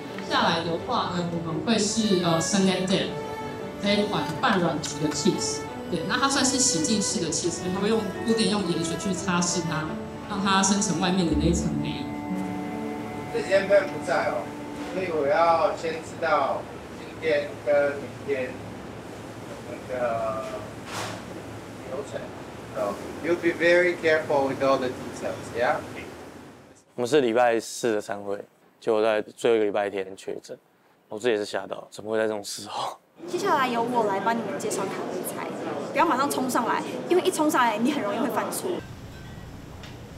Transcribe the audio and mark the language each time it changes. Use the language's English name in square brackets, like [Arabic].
[Chinese] 下来的话呢，我们会是Sanandé 这一款半软质的 cheese， 对，那它算是洗净式的 cheese， 它会用固定用盐水去擦拭它，让它生成外面的那一层黑。这几天 Ben 不在哦，所以我要先知道。今天跟明天那个流程 ， [English] so you'll be very careful with all the details, yeah. [Chinese] 我们是礼拜四的餐会，结果在最后一个礼拜天确诊，我自己也是吓到，怎么会在这种时候？接下来由我来帮你们介绍他的菜，不要马上冲上来，因为一冲上来你很容易会犯错。 [English] Okay.